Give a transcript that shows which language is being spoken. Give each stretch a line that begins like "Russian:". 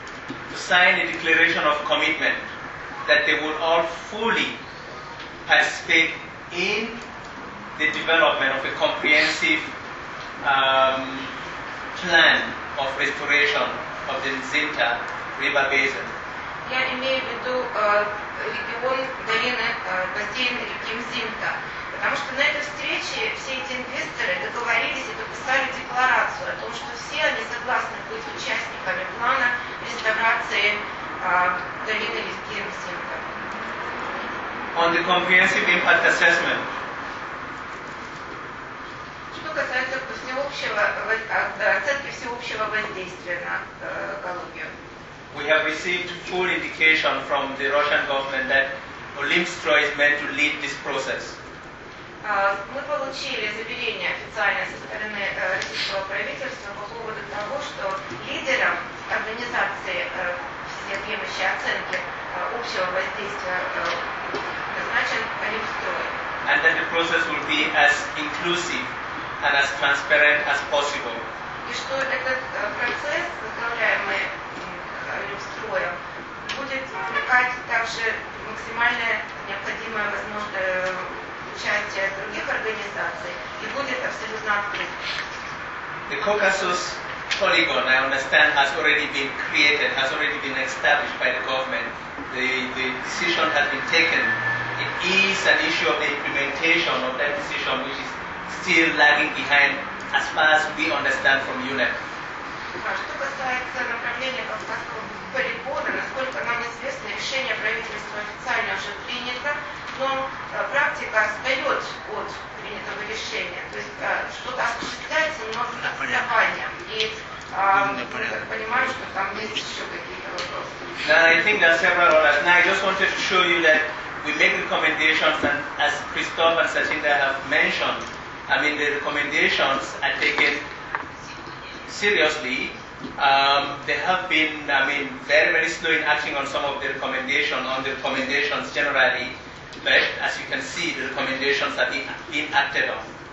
English: To sign a declaration of commitment that they would all fully participate in the development of a comprehensive plan of restoration of the Mzimta River Basin.
Russian: Я имею в виду регион долины бассейна реки Мзимта, потому что на этой встрече все эти инвесторы договорились и подписали декларацию о том, что все они согласны быть участниками плана реставрации долины реки Мзимта.
English: On the comprehensive impact assessment.
Russian: Что касается оценки всеобщего воздействия на экологию.
English: We have received full indication from the Russian government that Olimstroy is meant to lead this process.
Russian: Мы получили заверение официально со стороны российского правительства по поводу того, что лидером организации всеобъемлющей оценки общего воздействия назначен Olimstroy.
English: And that the process will be as inclusive and as transparent as possible.
Russian: И что этот процесс, который мы устроим, будет привлекать также максимально необходимое возможное участие других организаций и будет абсолютно открыт.
English: The Caucasus Polygon, I understand, has already been created, has already been established by the government. The decision has been taken. It is an issue of the implementation of that decision, which is still lagging behind, as far as we understand from UNEP.
Russian: Что касается направления Кавказского полигона, насколько нам известно, решение правительства официально уже принято, но практика отстает от принятого решения. То есть что-то осуществляется, но с отставанием. И мы понимаем, что там есть еще какие-то вопросы.
English: Now, I think there are several others. Now, I just wanted to show you that we make recommendations, and as Christophe and Sachinda have mentioned, I mean, the recommendations are taken seriously. They have been, I mean, very, very slow in acting on some of the recommendations, on the recommendations generally, but as you can see, the recommendations have been acted on.